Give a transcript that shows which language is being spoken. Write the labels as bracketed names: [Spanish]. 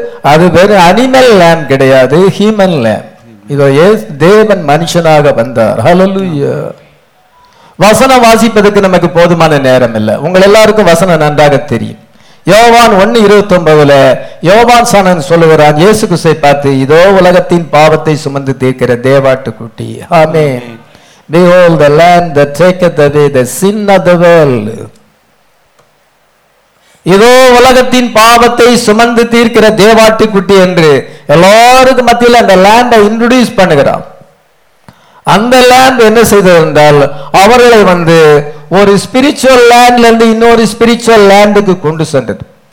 [Tamil] அது பேரு [English] animal lamb [Tamil] கிடையாது, [English] Human lamb. [Tamil] இதோ தேவன் மனுஷனாக வந்தார். ஹல்லேலூயா. வசனம் வாசிப்பதற்கு நமக்கு போதுமான நேரம் இல்லை. உங்க எல்லாருக்கும் வசனம் நன்றாக தெரியும். யோவான் 1:29 யோவான் சானன் சொல்லுகிறான், இயேசு கிறிஸ்துவை பார்த்து, இதோ உலகத்தின் பாவத்தை சுமந்து தீர்க்கிற தேவாட்டுக்குட்டி. ஆமென். [English] Behold the lamb that taketh away the sin of the world. [Tamil] இதோ உலகத்தின் பாவத்தை சுமந்து தீர்க்கிற தேவாட்டு குட்டி என்று எல்லாருக்கும் மத்தியில் அந்த லேண்டை இன்ட்ரோடியூஸ் பண்ணுகிறான். அந்த லேண்ட் என்ன செய்தது என்றால், அவர்களை வந்து ஒரு [English] spiritual லேண்ட்ல [Tamil] இருந்து இன்னொரு [English] spiritual லேண்டுக்கு [Tamil] கொண்டு சென்றது.